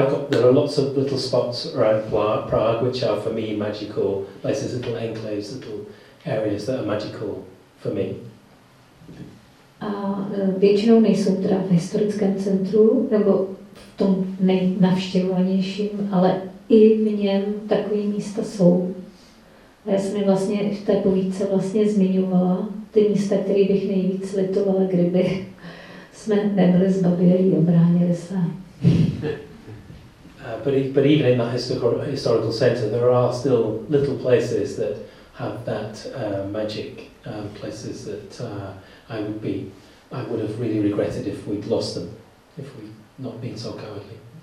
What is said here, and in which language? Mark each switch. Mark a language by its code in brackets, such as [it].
[en] There are lots of little spots around Prague which are for me magical, like these little enclaves, little areas that are magical for me. [cs] A většinou nejsou teda v historickém centru, nebo v tom nejnavštěvovanějším, ale i v něm takové místa jsou. A já jsem vlastně v té povídce vlastně zmiňovala ty místa, které bych nejvíc litovala, kdyby jsme nebyli zbavili a bránili se. [en] But even in the historical center, there are still little places that have that magic, places that I would have really regretted if we'd lost them, if we not being so cowardly.